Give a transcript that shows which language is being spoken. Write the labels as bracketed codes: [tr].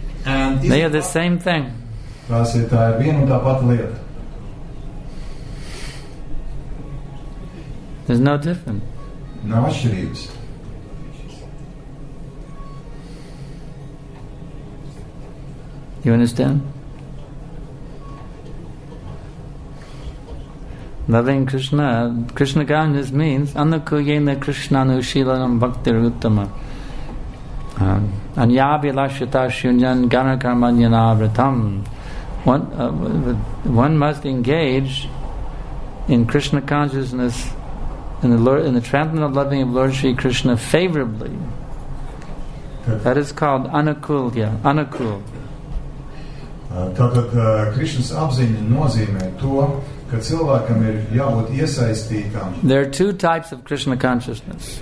[en] And they are the same thing. [lv] Tās ir tā viena un tā pati lieta. [en] There's no difference. [lv] Nav atšķirības. [en] You understand? Loving Krishna, Krishna consciousness means [sa] anukuyena krishnanu shilanam bhaktir uttama. Anyabhi lashita shunyan ganakarmanyanavratam. [en] One must engage in Krishna consciousness in the Lord, in the transcendental loving of Lord Sri Krishna favorably. That is called anukulya, anukul. [lv] Tātad Krišnas apziņa nozīmē to, ka cilvēkam ir jābūt iesaistītam. [en] There are two types of Krishna consciousness.